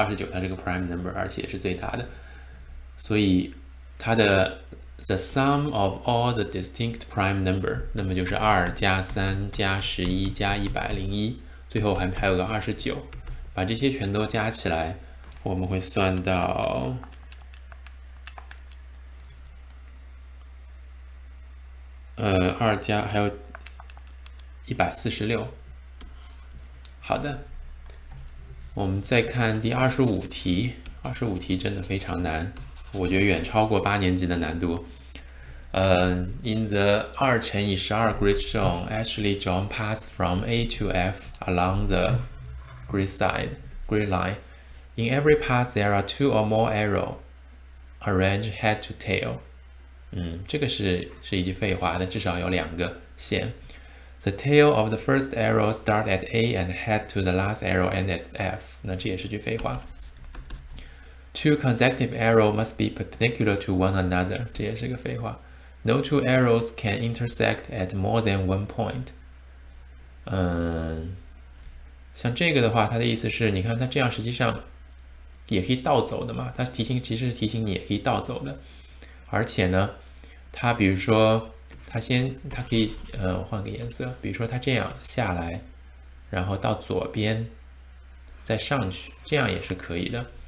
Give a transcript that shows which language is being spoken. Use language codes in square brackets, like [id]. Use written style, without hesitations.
[zh] 29它是个 [en] prime number， [zh] 而且是最大的，所以它的 [en] the sum of all the distinct prime number， [zh] 那么就是2加3加11加101，最后还有个29，把这些全都加起来，我们会算到2加还有146。好的，我们再看第25题，25题真的非常难，我觉得远超过八年级的难度。 [en] In the [zh] 2乘以12 [en] grid shown, Ashley drawn paths from A to F along the grid line. In every path, there are two or more arrow arranged head to tail. [zh] 这个是一句废话的，至少有两个线。 [en] The tail of the first arrow start at A and head to the last arrow end at F. [zh] 那这也是句废话。 [en] Two consecutive arrows must be perpendicular to one another. [zh] 这也是个废话。 [en] No two arrows can intersect at more than one point. [zh] 像这个的话，它的意思是，你看它这样实际上也可以倒走的嘛。它提醒其实是提醒你也可以倒走的。而且呢，它比如说它可以换个颜色，比如说它这样下来，然后到左边再上去，这样也是可以的。